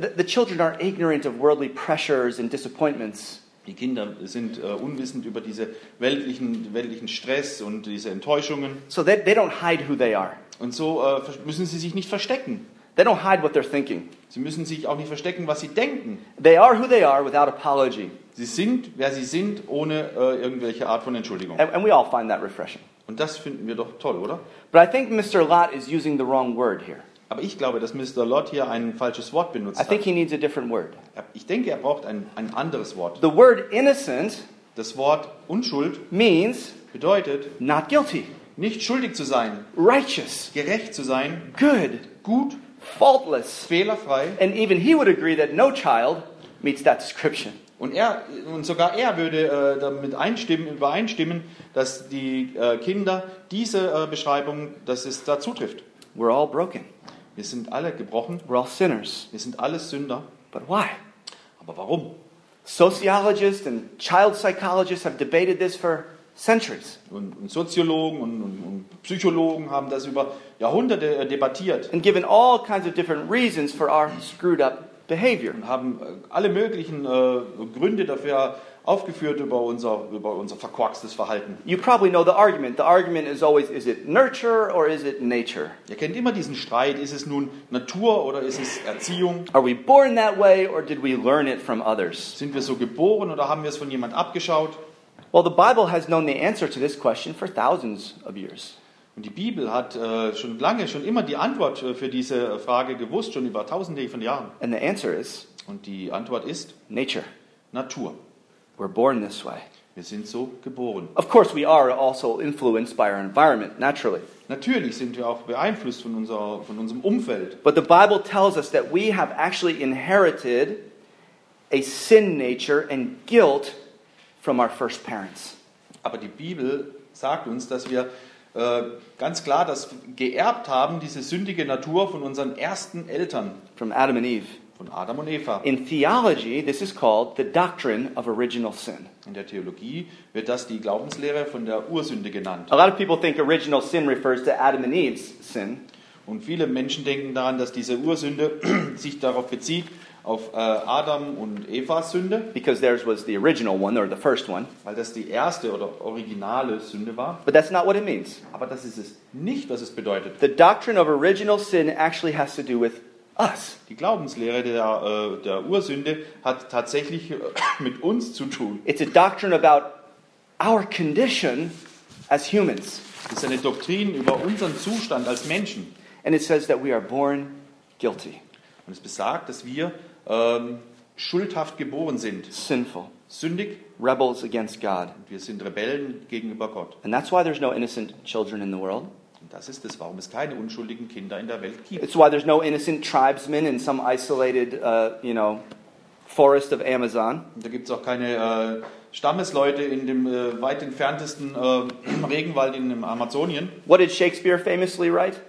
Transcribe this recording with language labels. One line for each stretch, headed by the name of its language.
English: The children are ignorant of worldly pressures and disappointments.
German: Die Kinder sind unwissend über diese weltlichen Stress und diese Enttäuschungen.
English: So they don't hide who they are.
German: Und so müssen sie sich nicht verstecken.
English: They don't hide what they're thinking.
German: Sie müssen sich auch nicht verstecken, was sie denken.
English: They are who they are without apology.
German: Sie sind, wer sie sind, ohne irgendwelche Art von Entschuldigung.
English: And we all find that refreshing.
German: Und das finden wir doch toll, oder?
English: But I think Mr. Lot is using the wrong word here.
German: Aber ich glaube, dass Mr. Lot hier ein falsches Wort benutzt hat.
English: I think he needs a different word.
German: Ich denke, er braucht ein anderes Wort.
English: The word innocent,
German: das Wort Unschuld,
English: means
German: bedeutet
English: not guilty,
German: nicht schuldig zu sein,
English: righteous,
German: gerecht zu sein,
English: good,
German: gut,
English: faultless,
German: fehlerfrei.
English: And even he would agree that no child meets that description.
German: Und sogar er würde damit übereinstimmen, dass die Kinder diese Beschreibung, dass es da zutrifft.
English: We're all broken.
German: Wir sind alle gebrochen.
English: We're all sinners.
German: Wir sind alle Sünder.
English: But why?
German: Aber warum?
English: Sociologists and child psychologists have debated this for centuries.
German: Und Soziologen und Psychologen haben das über Jahrhunderte debattiert.
English: And given all kinds of different reasons for our screwed up behavior.
German: Und haben alle möglichen Gründe dafür aufgeführt über unser verkorkstes Verhalten.
English: You probably know the argument. The argument is always, is it nurture or is it nature?
German: Ihr kennt immer diesen Streit. Ist es nun Natur oder ist es Erziehung?
English: Are we born that way or did we learn it from others?
German: Sind wir so geboren oder haben wir es von jemand abgeschaut?
English: Well, the Bible has known the answer to this question for thousands of years.
German: Und die Bibel hat schon immer die Antwort für diese Frage gewusst, schon über tausende von Jahren.
English: And the answer is,
German: und die Antwort ist
English: nature.
German: Natur.
English: We're born this way.
German: Wir sind so geboren.
English: Of course we are also influenced by our environment, naturally.
German: Natürlich sind wir auch beeinflusst von unserem Umfeld.
English: But the Bible tells us that we have actually inherited a sin nature and guilt from our first parents.
German: Aber die Bibel sagt uns, dass wir ganz klar das geerbt haben, diese sündige Natur von unseren ersten Eltern.
English: From Adam and Eve.
German: Von Adam und Eva.
English: In theology, this is called the doctrine of original sin.
German: In der Theologie wird das die Glaubenslehre von der Ursünde genannt.
English: A lot of people think original sin refers to Adam and Eve's sin.
German: Und viele Menschen denken daran, dass diese Ursünde sich darauf bezieht, auf Adam und Evas Sünde.
English: Because theirs was the original one, or the first one.
German: Weil das die erste oder originale Sünde war.
English: But that's not what it means.
German: Aber das ist es nicht, was es bedeutet.
English: The doctrine of original sin actually has to do with us.
German: Die Glaubenslehre der Ursünde hat tatsächlich mit uns zu tun.
English: It's a doctrine about our condition as humans.
German: Es ist eine Doktrin über unseren Zustand als Menschen.
English: And it says that we are born guilty.
German: Und es besagt, dass wir schuldhaft geboren sind.
English: Sinful.
German: Sündig.
English: Rebels against God.
German: Und wir sind Rebellen gegenüber Gott.
English: And that's why there's no innocent children in the world.
German: Das ist es, warum es keine unschuldigen Kinder in der Welt gibt.
English: It's why there's no innocent tribesmen in some isolated, forest of Amazon.
German: Da gibt's auch keine Stammesleute in dem weit entferntesten Regenwald in dem Amazonien.
English: What did Shakespeare famously write?